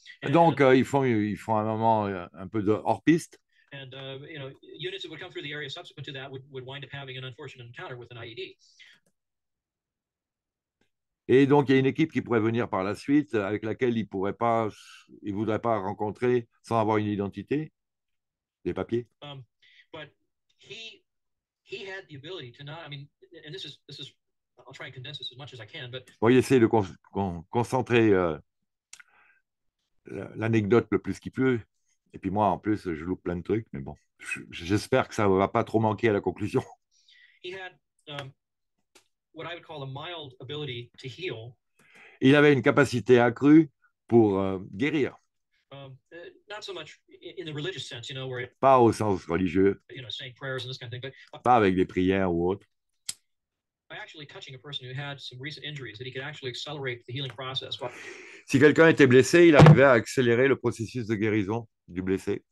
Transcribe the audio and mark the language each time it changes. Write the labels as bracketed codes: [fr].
[fr] Donc, ils font un moment un peu de hors-piste. [en] And you know, units that would come through the area subsequent to that would wind up having an unfortunate encounter with an IED. [fr] Et donc, il y a une équipe qui pourrait venir par la suite avec laquelle ils ne pourraient pas, ils ne voudraient pas rencontrer sans avoir une identité, des papiers. [en] But he had the ability to not, I mean, and this is, I'll try and condense this as much as I can, but... [fr] Bon, il essaie de concentrer l'anecdote le plus qu'il peut. Et puis moi, en plus, je loupe plein de trucs, mais bon, j'espère que ça ne va pas trop manquer à la conclusion. [en] He had, what I would call a mild ability to heal. [fr] Il avait une capacité accrue pour guérir. [en] Not so much in the religious sense, you know, where it, [fr] pas au sens religieux. [en] You know, saying prayers and this kind of thing, but, [fr] pas avec des prières ou autre. [en] By actually touching a person who had some recent injuries, that he could actually accelerate the healing process. [fr] Si quelqu'un était blessé, il arrivait à accélérer le processus de guérison du blessé.